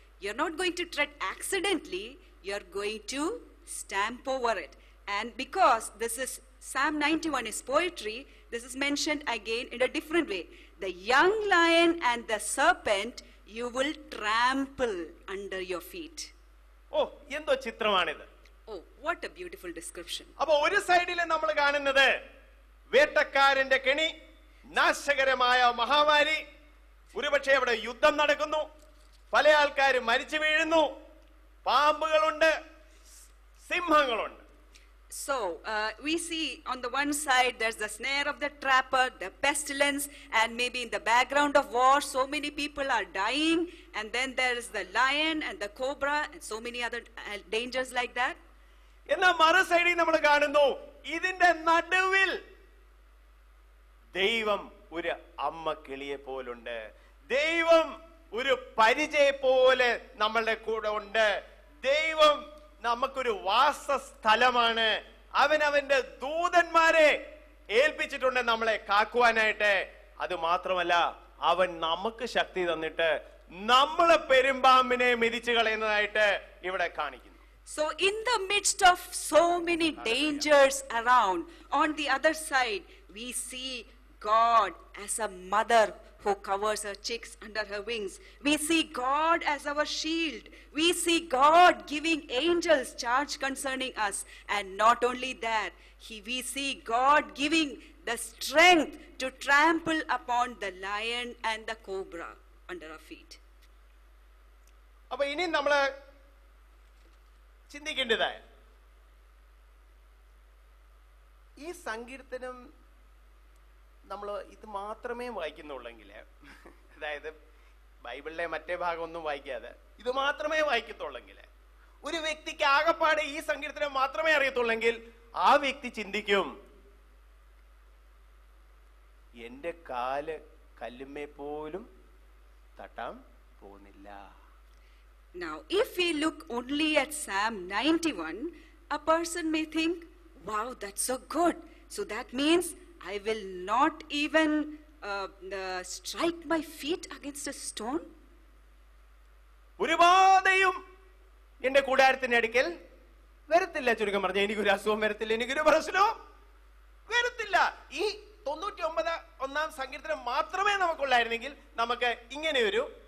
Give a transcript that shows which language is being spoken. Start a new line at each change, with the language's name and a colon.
English: You're not going to tread accidentally, you're going to stamp over it. And because this is Psalm 91 is poetry, this is mentioned again in a different way. The young lion and the serpent you will trample under your feet.
Malayalam: Oh, endo chithramanidu.
English: Oh, what a beautiful description.
Malayalam: Appo oru sideile nammal kaanunnathu വേട്ടക്കാരന്റെ കെണി, നാശകരമായ മഹാമാരി, ഒരുപക്ഷെ അവിടെ യുദ്ധം നടക്കുന്നു, പല ആൾക്കാർ മരിച്ചു വീഴുന്നു, പാമ്പുകളുണ്ട്, സിംഹങ്ങളുണ്ട്.
English: So we see on the one side there's the snare of the trapper, the pestilence, and maybe in the background of war so many people are dying, and then there is the lion and the cobra and so many other dangers like that.
Malayalam: എന്നാ മറു സൈഡിൽ നമ്മൾ കാണുന്നു ഇതിന്റെ നടുവിൽ ദൈവം ഒരു അമ്മ കിളിയെ പോലുണ്ട്, ദൈവം ഒരു പരിചയെ പോലെ നമ്മളുടെ കൂടെ ഉണ്ട്, ദൈവം നമുക്കൊരു വാസസ്ഥലമാണ്, അവൻ അവന്റെ ദൂതന്മാരെ ഏൽപ്പിച്ചിട്ടുണ്ട് നമ്മളെ കാക്കുവാനായിട്ട്. അത് മാത്രമല്ല, അവൻ നമുക്ക് ശക്തി തന്നിട്ട് നമ്മളെ പെരുമ്പാമ്പിനെ മെതിച്ചു കളയുന്നതായിട്ട് ഇവിടെ കാണിക്കുന്നു.
English: So in the midst of so many dangers around, on the other side, we see God as a mother who covers her chicks under her wings. We see God as our shield. We see God giving angels charge concerning us. And not only that, we see God giving the strength to trample upon the lion and the cobra under our feet.
Malayalam: അപ്പോൾ ഇനി നമ്മൾ ചിന്തിക്കേണ്ടതായ ഈ സങ്കീർത്തനം നമ്മൾ ഇത് മാത്രമേ വായിക്കുന്നുള്ളെങ്കിൽ, അതായത് ബൈബിളിലെ മറ്റേ ഭാഗമൊന്നും വായിക്കാതെ ഇത് മാത്രമേ വായിക്കത്തുള്ളെങ്കിൽ, ഒരു വ്യക്തിക്ക് ആകപ്പാട് ഈ സങ്കീർത്തനം മാത്രമേ അറിയത്തുള്ളെങ്കിൽ, ആ വ്യക്തി ചിന്തിക്കും എൻ്റെ കാല് കല്ലുമേ പോലും തട്ടാൻ പോകുന്നില്ല.
English: Now, if we look only at Psalm 91, a person may think, wow, that's so good. So that means I will not even strike my feet against a stone.
Malayalam: ഒരുപാടയും എൻ്റെ കൂടാരത്തിന്റെ അടുക്കൽ വരത്തില്ല. ചുരുക്കം പറഞ്ഞാൽ എനിക്കൊരു അസുഖം വരത്തില്ല, എനിക്കൊരു പ്രശ്നവും വരത്തില്ല. ഈ 99-ാം സങ്കീർത്തനം മാത്രമേ നമുക്കുള്ളായിരുന്നെങ്കിൽ നമുക്ക് ഇങ്ങനെയൊരു